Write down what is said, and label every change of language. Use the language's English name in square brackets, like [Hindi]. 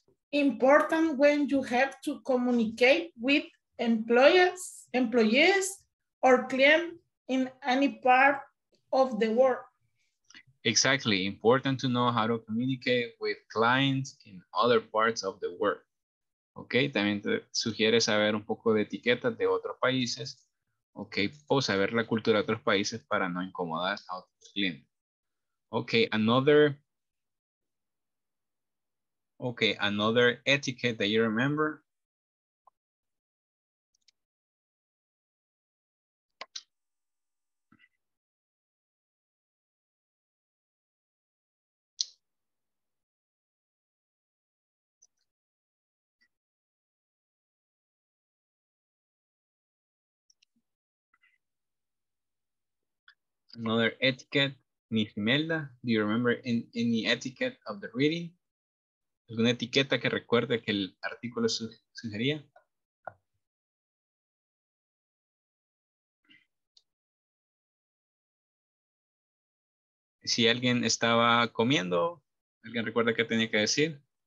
[English] Important when you have to communicate with employees or clients in any part of the world. Exactly. Important to know how to communicate with clients in other parts of the world. Okay. [Spanish] También te sugiere saber un poco de etiquetas de otros países. Okay. O saber la cultura de otros países para no incomodar a otros clientes. [English] Okay. Another etiquette that you remember. Another etiquette, Miss Imelda. Do you remember any etiquette of the reading? [Spanish] ¿Alguna etiqueta que recuerde que el artículo sugería? Si alguien estaba comiendo, ¿alguien recuerda qué tenía que decir?